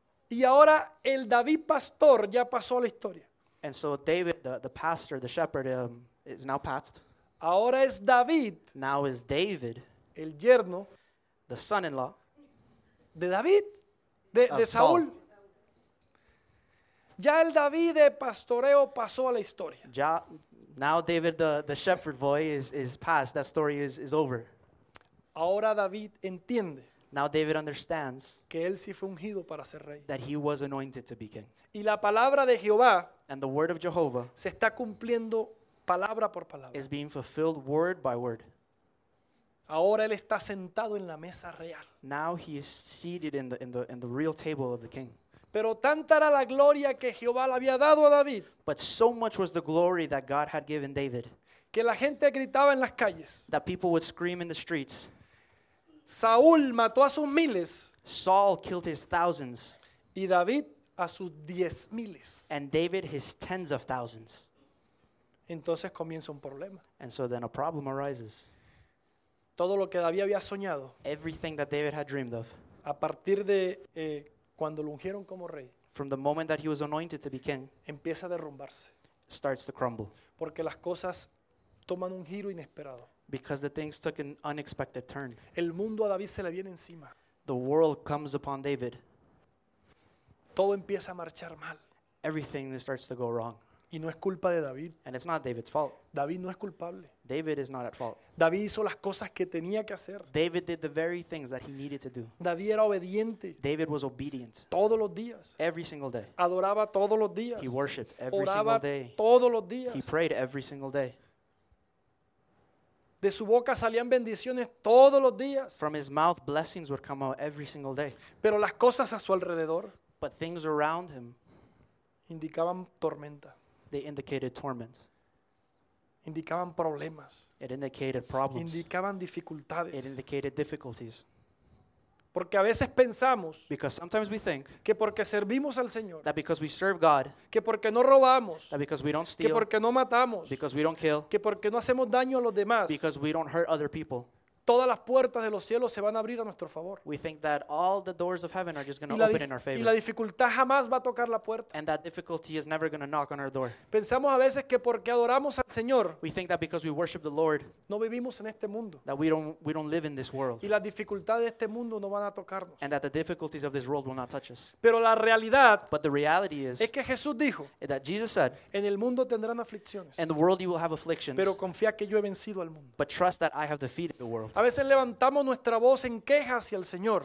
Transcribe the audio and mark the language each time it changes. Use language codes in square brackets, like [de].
[es] Y ahora el David pastor ya pasó a la historia. [en] And so David, the pastor, the shepherd, is now passed. [es] Ahora es David. [en] Now is David. [es] El yerno. [en] The son-in-law. [es] De David. De Saúl. [en] Saul. [es] Ya el David de pastoreo pasó a la historia. [en] Ya, now David, the shepherd boy, is passed. That story is over. [es] Ahora David entiende. [en] Now David understands [es] que él sí fue ungido para ser rey. [en] That he was anointed to be king. [es] Y la palabra de Jehová, [en] and the word of Jehovah, [es] se está cumpliendo palabra por palabra. [en] Is being fulfilled word by word. [es] Ahora él está sentado en la mesa real. [en] Now he is seated in the real table of the king. [es] Pero tanta era la gloria que Jehová le había dado a David. [en] But so much was the glory that God had given David. [es] Que la gente gritaba en las calles. [en] That people would scream in the streets. [es] Saúl mató a sus miles. [en] Saul killed his thousands. [es] Y David a sus diez miles. [en] And David his tens of thousands. [es] Entonces comienza un problema. [en] And so then a problem arises. [es] Todo lo que David había soñado. [en] Everything that David had dreamed of. [es] A partir de cuando lo ungieron como rey. [en] From the moment that he was anointed to be king. [es] Empieza a derrumbarse. [en] Starts to crumble. [es] Porque las cosas toman un giro inesperado. [en] Because the things took an unexpected turn. [es] El mundo a David se le viene encima. [en] The world comes upon David. [es] Todo empieza a marchar mal. [en] Everything starts to go wrong. [es] Y no es culpa de David. [en] And it's not David's fault. [es] David no es culpable. [en] David is not at fault. [es] David hizo las cosas que tenía que hacer. [en] David did the very things that he needed to do. [es] David era obediente. [en] David was obedient. [es] Todos los días. [en] Every single day. [es] Adoraba todos los días. [en] He worshipped every [es] Oraba [en] single day. [es] Todos los días. [en] He prayed every single day. [es] De su boca salían bendiciones todos los días. [en] From his mouth, blessings would come out every single day. [es] Pero las cosas a su alrededor. [en] But things around him. [es] Indicaban tormenta. [en] They indicated torment. [es] Indicaban problemas. [en] It indicated problems. [es] Indicaban dificultades. [en] It indicated difficulties. [es] Porque a veces pensamos. [en] Because sometimes we think. [es] Que porque servimos al Señor. [en] That because we serve God. [es] Que porque no robamos. [en] That because we don't steal. [es] Que porque no matamos. [en] Because we don't kill. [es] Que porque no hacemos daño a los demás. [en] Because we don't hurt other people. [es] Todas las puertas de los cielos se van a abrir a nuestro favor. [en] We think that all the doors of heaven are just going to open in our favor. [es] Y la dificultad jamás va a tocar la puerta. [en] And that difficulty is never going to knock on our door. [es] Pensamos a veces que porque adoramos al Señor. [en] We think that because we worship the Lord. [es] No vivimos en este mundo. [en] That we don't live in this world. [es] Y las dificultades de este mundo no van a tocarnos. [en] And that the difficulties of this world will not touch us. [es] Pero la realidad. [en] But the reality is. [es] Es que Jesús dijo. [en] That Jesus said. [es] En el mundo tendrán aflicciones. [en] In the world you will have afflictions. [es] Pero confía que yo he vencido al mundo. [en] But trust that I have defeated the world. [es] A veces levantamos nuestra voz en queja hacia el Señor.